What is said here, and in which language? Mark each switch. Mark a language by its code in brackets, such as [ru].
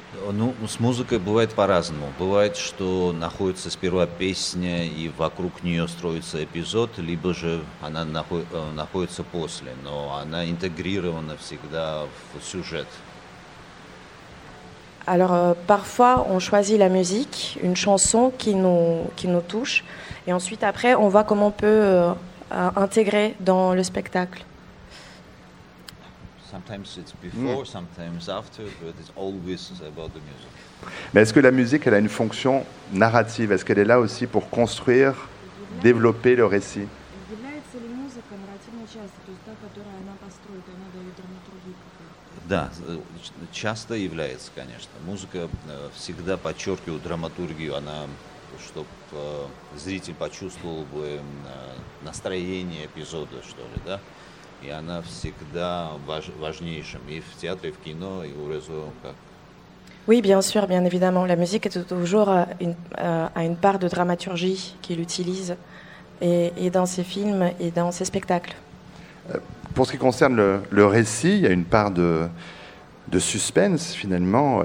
[ru] Ну, с музыкой бывает по-разному. Бывает, что находится сперва песня, и вокруг нее строится эпизод, либо же она находится после, но она интегрирована всегда в сюжет. [fr] Alors, parfois, on choisit la musique, une chanson qui nous touche, et ensuite, après, on voit comment on peut intégrer dans le spectacle. [en] Sometimes it's before, sometimes after, but it's always about the music. [fr] Mais est-ce que la musique, elle a une fonction narrative? Est-ce qu'elle est là aussi pour construire, développer le récit? [ru] Является ли музыка нарративной частью, то есть та, которая она построит, она дает драматургию какую-то? Да, часто является, конечно. Музыка всегда подчеркивает драматургию, она, чтобы зритель почувствовал бы настроение эпизода, что ли, да? И она всегда важнейшим и в театре, и в кино, и у Резо как. [fr] Oui, bien sûr, bien évidemment, la musique est toujours à une part de dramaturgie qu'il utilise et dans ses films et dans ses spectacles. Pour ce qui concerne le récit, il y a une part de suspense finalement.